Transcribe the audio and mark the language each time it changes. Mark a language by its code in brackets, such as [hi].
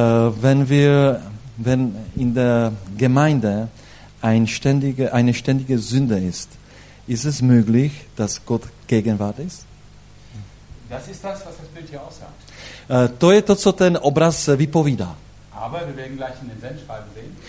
[de] Wenn wir, wenn in der Gemeinde eine ständige Sünde ist, ist es möglich, dass Gott Gegenwart ist? Das ist das, was das Bild hier aussagt. [cs] To je to, co ten obraz vypovídá. [de] Aber wir werden gleich in den Sendschreiben sehen.